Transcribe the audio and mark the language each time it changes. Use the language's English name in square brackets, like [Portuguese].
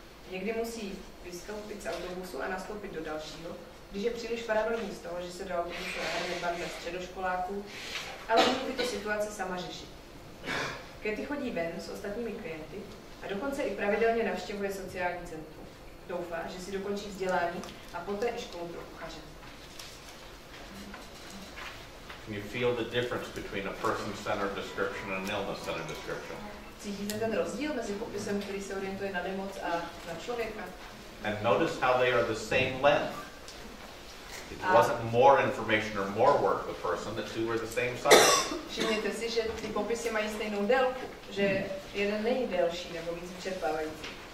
[Czech] Někdy musí vystoupit z autobusu a nastoupit do dalšího, když je příliš paranoidní z toho, že se do autobusu nahrne bavit středoškoláků, ale může tyto situace sama řešit. Katie chodí ven s ostatními klienty a dokonce i pravidelně navštěvuje sociální centrum. Doufá, že si dokončí vzdělání a poté i školu pro kuchaře. [English] Can you feel the difference between a person-centered description and an illness-centered description? [Czech] Cítíte ten rozdíl mezi popisem, který se orientuje na nemoc a na člověka? [English] And notice how they are the same length. It wasn't more information or more work the person, the two were the same size. [Czech] Všimněte si, že ty popisy mají stejnou délku, že jeden není delší nebo víc vyčerpávající.